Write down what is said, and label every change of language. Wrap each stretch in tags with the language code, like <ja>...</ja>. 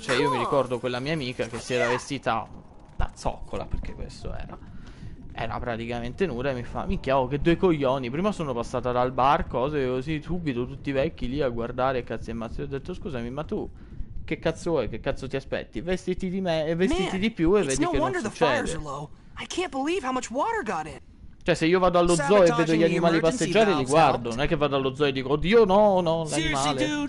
<it>Cioè io mi ricordo quella mia amica che si era vestita da zoccola, perché questo era, era praticamente nuda, e mi fa: minchia, oh, che due coglioni. Prima sono passata dal bar, cose così, subito tutti vecchi lì a guardare, cazzi e mazzi. Ho detto, scusami, ma tu che cazzo vuoi, che cazzo ti aspetti? Vestiti di me e vestiti di più e vedi che non succede.</it> <en>I can't believe how much water got in.</en> <it>Cioè, se io vado allo zoo e vedo gli animali passeggiare, li guardo. Non è che vado allo zoo e dico, oddio, no, no, l'animale.</it>